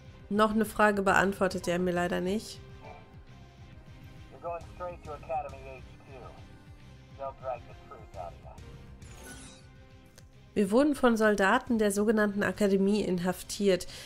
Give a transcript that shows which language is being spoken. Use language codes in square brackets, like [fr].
[de] Noch eine Frage beantwortet er mir leider nicht. [en] You're going straight to Academy HQ. They'll drag the truth out of you. [de] Wir wurden von Soldaten der sogenannten Akademie inhaftiert.